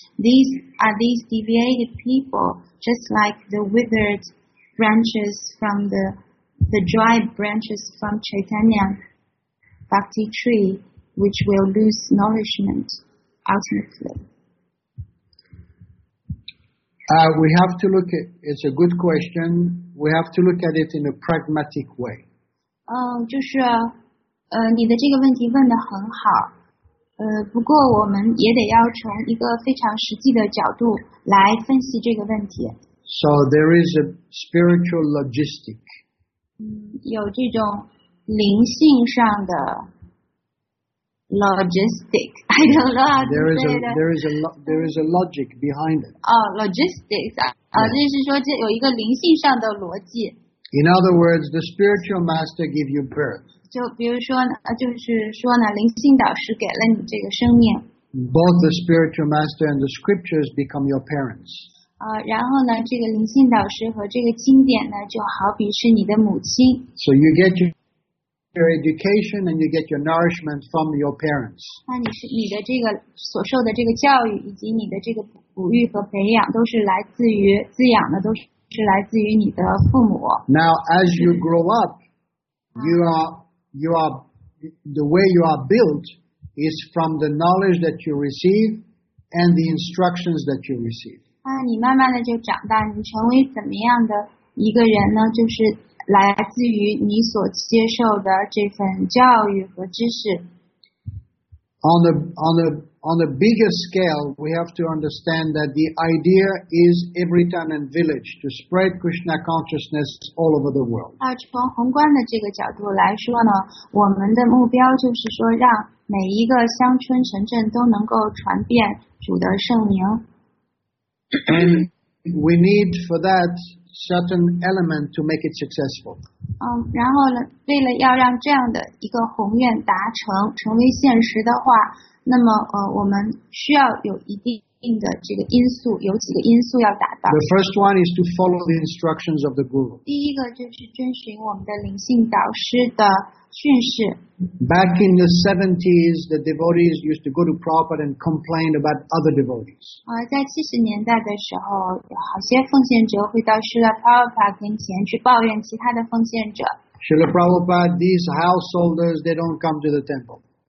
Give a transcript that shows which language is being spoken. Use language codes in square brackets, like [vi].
[en] These are these deviated people, just like the withered branches from the dry branches from Chaitanya Bhakti tree, which will lose nourishment ultimately. We have to look at, it's a good question. We have to look at it in a pragmatic way. [zh] 就是你的这个问题问得很好，不过我们也得要从一个非常实际的角度来分析这个问题。 [en] So there is a spiritual logistic. [zh] 有这种灵性上的 logistic. [en] I don't know how to say it. There is a logic behind it. Oh, logistics. Yes. [zh] 就是说这有一个灵性上的逻辑。 [en] In other words, the spiritual master gives you birth. [zh] 就比如说，就是说呢，灵性导师给了你这个生命。 [en] Both the spiritual master and the scriptures become your parents. [zh] 然后呢，这个灵性导师和这个经典呢，就好比是你的母亲。 [en] So you get your education and you get your nourishment from your parents. [zh] 那你的这个所受的这个教育以及你的这个哺育和培养，都是来自于滋养的，都是。是来自于你的父母。 [en] Now, as you grow up, you are the way you are built is from the knowledge that you receive and the instructions that you receive. [zh] 你慢慢的就长大，你成为怎么样的一个人呢？就是来自于你所接受的这份教育和知识。 [en] On a bigger scale, we have to understand that the idea is every town and village to spread Krishna consciousness all over the world. [zh] 从宏观的这个角度来说呢，我们的目标就是说让每一个乡村城镇都能够传遍主的圣名。 [en] And we need for that certain element to make it successful. [zh] 然后呢，为了要让这样的一个宏愿达成，成为现实的话。那么我们需要有一定的这个因素，有几个因素要达到。 [en] The first one is to follow the instructions of the guru. [zh] 第一个就是遵循我们的灵性导师的训示。 [en] Back in the 70s, the devotees used to go to Prabhupada and complain about other devotees. [zh] 在70年代的时候，好些奉献者会到Srila Prabhupada跟前去抱怨其他的奉献者。 [en] Srila Prabhupada, these householders, they don't come to the temple.